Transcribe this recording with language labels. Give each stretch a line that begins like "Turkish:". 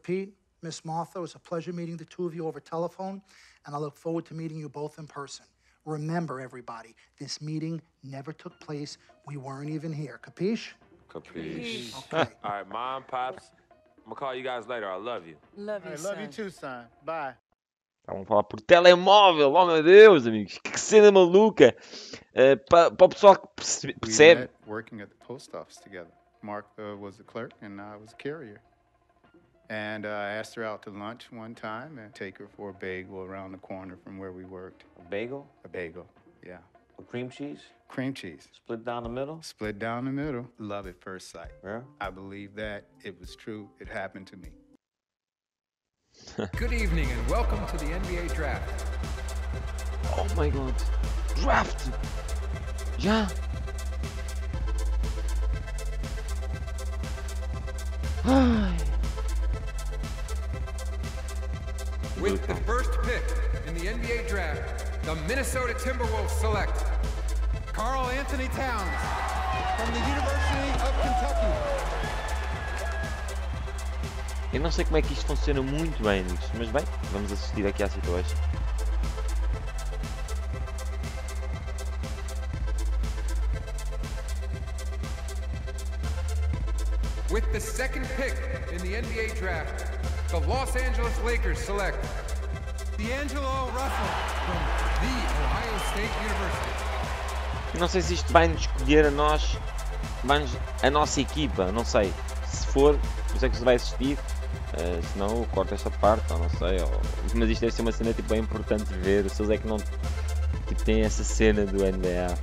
English: Pete, Miss Martha, it was a pleasure meeting the two of you over telephone, and I look forward to meeting you both in person. Remember, everybody, this meeting never took place. We weren't even here. Capiche? Capiche. Okay. All right, Mom, Pops, I'm gonna call you guys later. I love you. Love you, son. Love you too, son. Bye.
Portuguese: Vamos falar por telemóvel, oh meu Deus, amigos, que cena maluca! Para o pessoal que percebe.
English: We met working at the post office together. Mark was the clerk and I was a carrier. And I asked her out to lunch one time and take her for a bagel around the corner from where we worked. A bagel? A bagel, yeah. A cream cheese? Cream cheese. Split down the middle? Split down the middle. Love at first sight. Yeah? I believe that it was true. It happened to me. Good evening and welcome to the NBA draft. Oh my god. Draft. Já. Ai. With the first pick in the NBA draft, the Minnesota Timberwolves select Karl Anthony Towns from the University of Kentucky.
Portuguese: Eu não sei como é que isto funciona muito bem, amigos, mas bem, vamos assistir aqui à situação.
English: With the second pick in the NBA draft, the Los Angeles Lakers select D'Angelo Russell from the Ohio State University.
Portuguese: Eu não sei se isto vai nos escolher a nós, vai-nos, a nossa equipa, não sei. Se for, não sei que se vai assistir. Se não, corta esta parte, ou não sei, ou... mas isto deve ser uma cena tipo, bem importante ver. O Sousa é que não tipo, tem essa cena do NBA